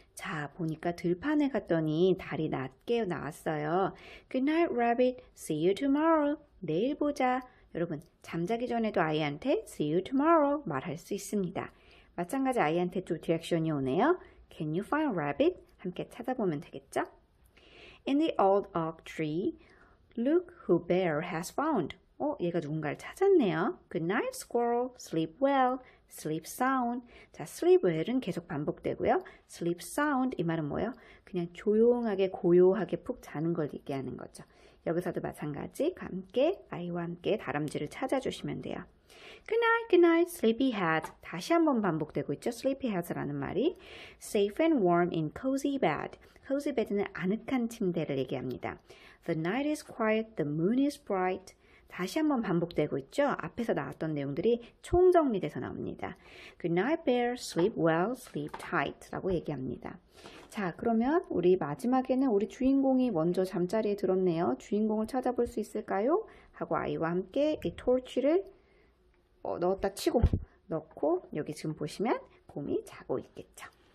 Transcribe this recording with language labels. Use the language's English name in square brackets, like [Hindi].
[Korean] 자, 보니까 들판에 갔더니 달이 낮게 나왔어요. [English] Good night, rabbit. See you tomorrow. [Korean] 내일 보자. 여러분, 잠자기 전에도 아이한테 see you tomorrow 말할 수 있습니다. 마찬가지 아이한테 또 디렉션이 오네요. [English] Can you find a rabbit? [Korean] 함께 찾아보면 되겠죠? [English] In the old oak tree, look who bear has found. [Korean] 얘가 누군가를 찾았네요. [English] Good night, squirrel. Sleep well. Sleep sound. [Korean] 자, sleep well은 계속 반복되고요. Sleep sound 이 말은 뭐예요? 그냥 조용하게, 고요하게 푹 자는 걸 얘기하는 거죠. 여기서도 마찬가지, 함께, 아이와 함께 다람쥐를 찾아주시면 돼요. [English] Good night, sleepy head. [Korean] 다시 한번 반복되고 있죠? [English] Sleepy head [Korean] 라는 말이. [English] Safe and warm in cozy bed. [Korean] Cozy bed는 아늑한 침대를 얘기합니다. [English] The night is quiet, the moon is bright. [Korean] 다시 한번 반복되고 있죠? 앞에서 나왔던 내용들이 총정리돼서 나옵니다. [English] Good night, bear. Sleep well, sleep tight. [Korean] 라고 얘기합니다. 자, 그러면 우리 마지막에는 우리 주인공이 먼저 잠자리에 들었네요. 주인공을 찾아볼 수 있을까요? 하고 아이와 함께 이 토치를 넣었다 치고 넣고 여기 지금 보시면 곰이 자고 있겠죠.